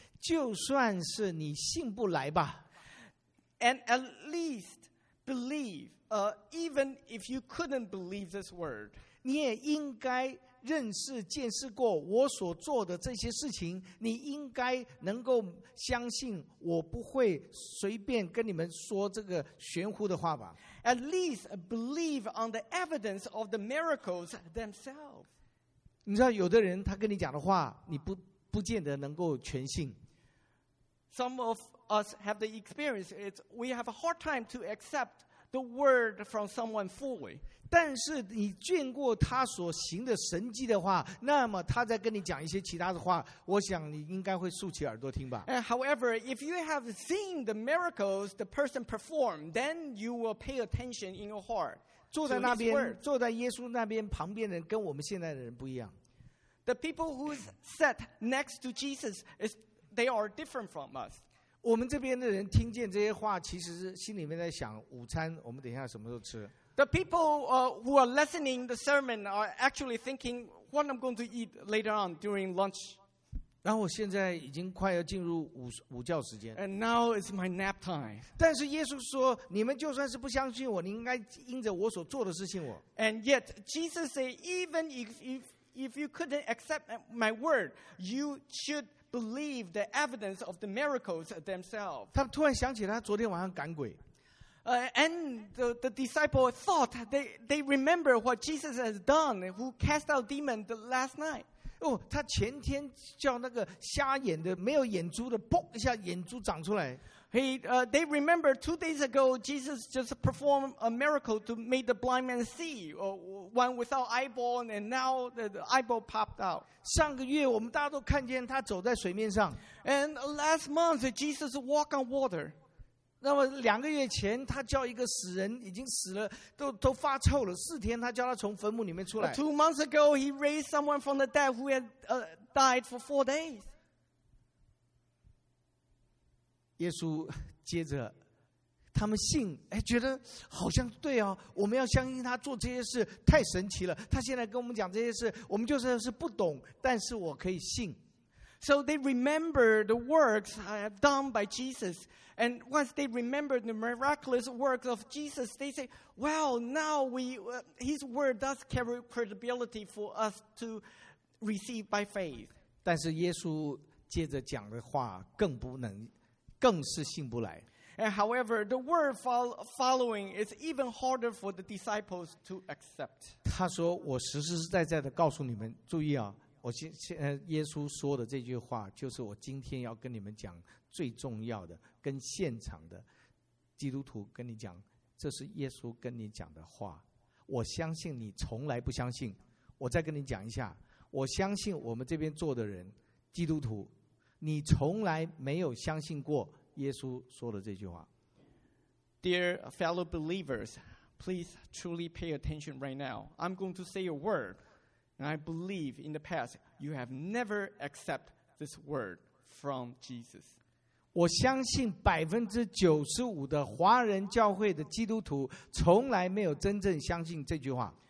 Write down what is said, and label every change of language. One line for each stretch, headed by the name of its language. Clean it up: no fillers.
Chinese: 就算是你信不来吧。
English: And at least believe, even if you couldn't believe this word.
Chinese: 你也应该认识见识过我所做的这些事情，你应该能够相信我不会随便跟你们说这个玄乎的话吧。
English: At least believe on the evidence of the miracles themselves.
Chinese: 你知道有的人他跟你讲的话你 不见得能够全信。
English: Some of us have the experience, we have a hard time to accept the word from someone fully.
Chinese: 但是你见过他所行的神迹的话，那么他在跟你讲一些其他的话，我想你应该会竖起耳朵听吧。
English: And however, if you have seen the miracles the person performed, then you will pay attention in your heart.
Chinese: 坐在那边，坐在耶稣那边旁边的人跟我们现在的人不一样。
English: The people who sat next to Jesus is they are different from us.
Chinese: 我们这边的人听见这些话，其实心里面在想午餐我们等一下什么时候吃。
English: The people who are listening the sermon are actually thinking what I'm going to eat later on during lunch.
Chinese: 然后我现在已经快要进入午觉时间。
English: And now it's my nap time.
Chinese: 但是耶稣说，你们就算是不相信我，你应该因着我所做的事信我。
English: And yet Jesus said, even if you couldn't accept my word, you should believe the evidence of the miracles themselves.
Chinese: 他突然想起他昨天晚上赶鬼。
English: And the disciple thought they remember what Jesus has done, who cast out demons the last night.
Chinese: 哦，他前天叫那个瞎眼的、没有眼珠的，嘣一下眼珠长出来。
English: They remember 2 days ago Jesus just performed a miracle to make the blind man see, one without eyeball, and now the eyeball popped out.
Chinese: 上个月我们大家都看见他走在水面上。
English: And last month Jesus walked on water.
Chinese: 那么两个月前他叫一个死人已经死了 都发臭了四天他叫他从坟墓里面出来
English: 2 months ago he raised someone from the dead who had died for 4 days
Chinese: 耶稣接着他们信哎，觉得好像对哦我们要相信他做这些事太神奇了他现在跟我们讲这些事我们就算是不懂但是我可以信
English: So they remember the works done by Jesus. And once they remember the miraculous works of Jesus, they say, well, now his word does carry credibility for us to receive by faith.
Chinese: 但是耶稣接着讲的话更不能，更是信不来。
English: And however, the word following is even harder for the disciples to accept.
Chinese: 他说，我实实在在地告诉你们，注意啊。我耶稣说的这句话就是我今天要跟你们讲最重要的跟现场的基督徒跟你讲这是耶稣跟你讲的话我相信你从来不相信我再跟你讲一下我相信我们这边坐的人基督徒你从来没有相信过耶稣说的这句话
English: Dear fellow believers please truly pay attention right now I'm going to say a wordAnd I believe in the past, you have never accepted this word from Jesus.
Chinese: 我相信 95% 的华人教会的基督徒从来没有真正相信这句话。